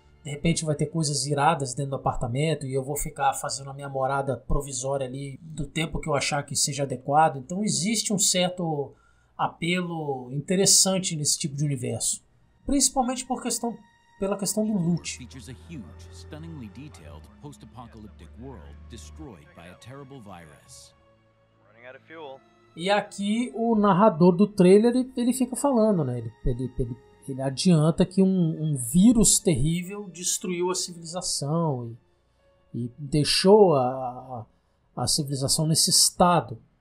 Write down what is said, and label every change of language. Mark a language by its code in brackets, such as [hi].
[pt] De repente vai ter coisas iradas dentro do apartamento e eu vou ficar fazendo a minha morada provisória ali do tempo que eu achar que seja adequado. Então existe um certo apelo interessante nesse tipo de universo. Principalmente pela questão do loot. [en] Features a huge, stunningly detailed post-apocalyptic world destroyed by a terrible virus. Running out of fuel. [pt] E aqui o narrador do trailer, ele fica falando, né? Ele adianta que um vírus terrível destruiu a civilização e deixou a civilização nesse estado.